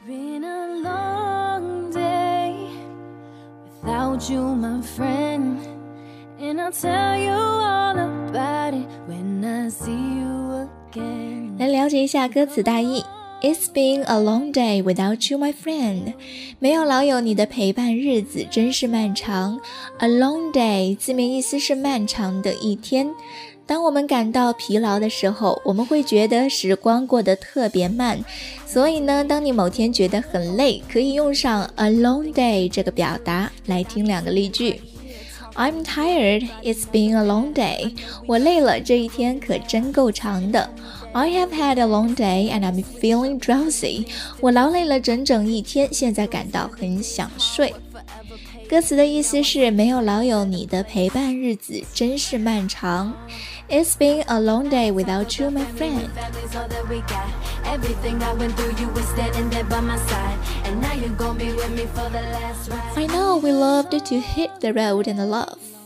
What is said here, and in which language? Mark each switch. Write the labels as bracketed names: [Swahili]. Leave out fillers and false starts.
[English] It's been a long day without you my friend, and I'll tell you all about it when I see you again。 [Chinese] 来了解一下歌词大意。 [English] It's been a long day without you, my friend. [Chinese] 没有老友，你的陪伴日子真是漫长。 [English] A long day [Chinese] 字面意思是漫长的一天。当我们感到疲劳的时候，我们会觉得时光过得特别慢。所以呢，当你某天觉得很累，可以用上 [English] a long day [Chinese] 这个表达。来听两个例句。 [English] I'm tired. It's been a long day. [Chinese] 我累了，这一天可真够长的。 [English] I have had a long day and I'm feeling drowsy. [Chinese] 我劳累了整整一天，现在感到很想睡。歌词的意思是，没有老友，你的陪伴日子真是漫长。 [English] It's been a long day without you, my friend. I know we loved to hit the road and love.